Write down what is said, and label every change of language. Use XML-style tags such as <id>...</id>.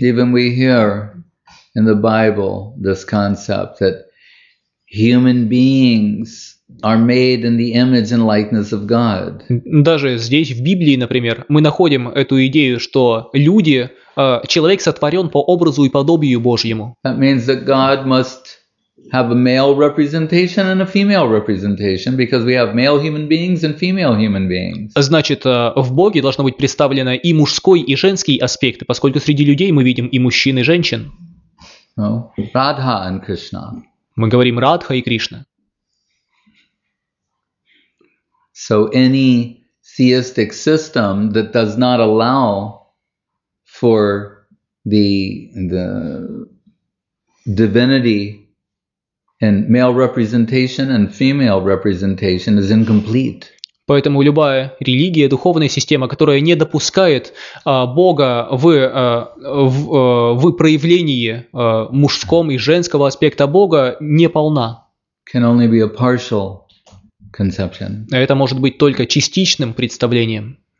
<en>Even we hear in the Bible this concept that human beings are made in the image and likeness of God.</en> <ru>Даже здесь, в Библии, например, мы находим эту идею, что люди, человек сотворен по образу и подобию Божьему.</ru> <en>That means that God must have a male representation and a female representation, because we have male human beings and female human beings.</en> <ru>Значит, в Боге должно быть представлено и мужской, и женский аспекты, поскольку среди людей мы видим и мужчин, и женщин.</ru> <en>No. Radha and Krishna.</en> <ru>Мы говорим Радха и Кришна.</ru> <en>So any theistic system that does not allow for the divinity and male representation and female representation is incomplete.</en> <ru>Поэтому любая религия, духовная система, которая не допускает Бога в проявлении мужском и женского аспекта Бога, не полна.</ru> <en>Can only be a partial conception.</en> <ru>Это может быть только частичным представлением.</ru>